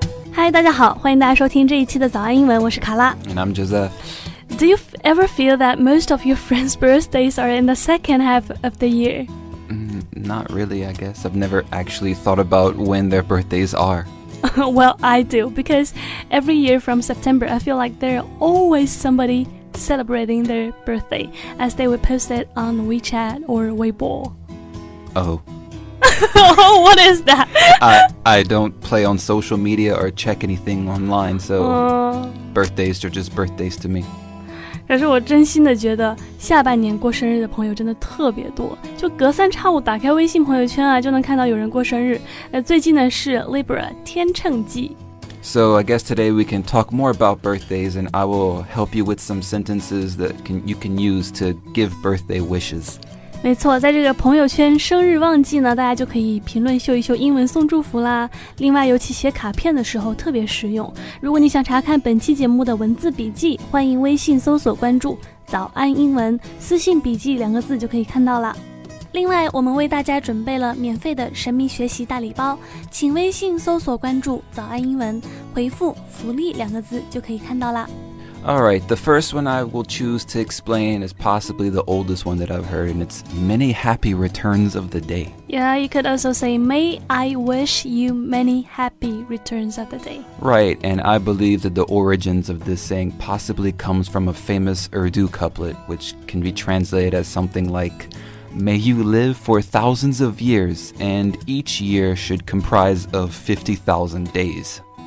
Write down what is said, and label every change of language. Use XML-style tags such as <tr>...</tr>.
<zh>嗨，大家好，欢迎大家收听这一期的早安英文，我是卡拉。</zh> <en>And I'm Joseph. Do you ever feel that most of your friends' birthdays are in the second half of the year? Not really, I guess. I've never actually thought about when their birthdays are. Well, I do, because every year from September, I feel like there are always somebody celebrating their birthday, as they would post it on WeChat or Weibo. Oh. What is that? I don't play on social media or check anything online, so birthdays are just birthdays to me.</en> <zh>可是我真心的觉得下半年过生日的朋友真的特别多，就隔三差五打开微信朋友圈啊，就能看到有人过生日。最近呢是 Libra 天秤季。</zh> <en>So I guess today we can talk more about birthdays, and I will help you with some sentences that you can use to give birthday wishes.</en> <zh>没错，在这个朋友圈生日旺季呢，大家就可以评论秀一秀英文送祝福啦。另外，尤其写卡片的时候特别实用。如果你想查看本期节目的文字笔记，欢迎微信搜索关注早安英文，私信笔记两个字就可以看到了。另外，我们为大家准备了免费的神秘学习大礼包，请微信搜索关注早安英文，回复福利两个字就可以看到了。</zh> <en>All right, the first one I will choose to explain is possibly the oldest one that I've heard, and it's many happy returns of the day. Yeah, you could also say, may I wish you many happy returns of the day. Right, and I believe that the origins of this saying possibly comes from a famous Urdu couplet, which can be translated as something like, may you live for thousands of years, and each year should comprise of 50,000 days.</en>